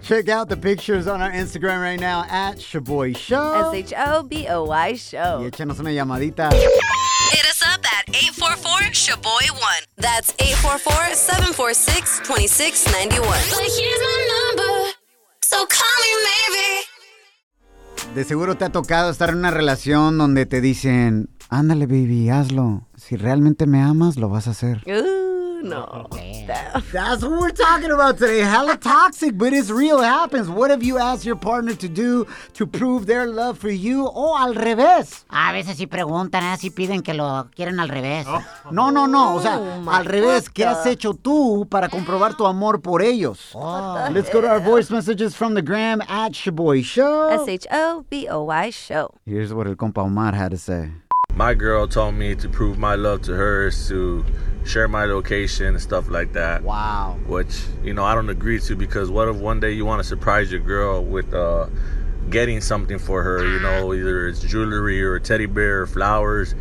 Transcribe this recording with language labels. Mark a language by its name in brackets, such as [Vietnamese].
[English] Check out the pictures on our Instagram right now at Shaboy Show. Shaboy Show. [Spanish] Y échanos una llamadita. [English] Hit us up at 844-SHABOY1. That's 844-746-2691. But here's my number, so call me maybe. [Spanish] De seguro te ha tocado estar en una relación donde te dicen, ándale baby, hazlo. Si realmente me amas, lo vas a hacer. No. [English] That's what we're talking about today. Hella toxic, but it's real. It happens. What have you asked your partner to do to prove their love for you? [Spanish] Oh, al revés. A veces si preguntan, así piden que lo quieren al revés. No. O sea, al revés. ¿Qué has hecho tú para comprobar tu amor por ellos? [English] Let's go to our voice messages from the gram at Shaboy Show. Shaboy Show. Here's what [Spanish] el compa [English] Omar had to say. My girl told me to prove my love to her, to share my location and stuff like that. Wow. Which, you know, I don't agree to, because what if one day you want to surprise your girl with getting something for her, you know, either it's jewelry or a teddy bear or flowers.